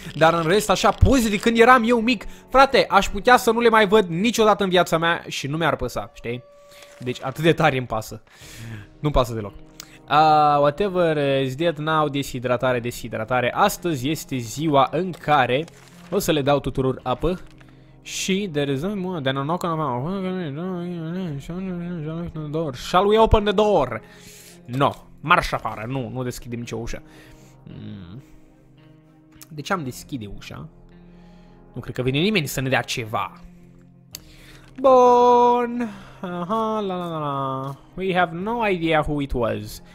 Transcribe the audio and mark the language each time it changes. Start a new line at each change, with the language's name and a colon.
Romanian: Dar în rest, așa, poze de când eram eu mic. Frate, aș putea să nu le mai văd niciodată în viața mea și nu mi-ar păsa, știi? Deci atât de tare îmi pasă. Nu-mi pasă deloc.
English: Whatever is dead now,
Romanian: deshidratare, deshidratare. Astăzi este ziua în care o să le dau tuturor apă.
English: Și there is a more than a knock on a door. Shall we open the door?
Romanian: No, marș afară, nu deschidem nicio ușă. De ce am deschide ușa? Nu cred că vine nimeni să ne dea ceva. Bun.
English: Aha, la. We have no idea who it was.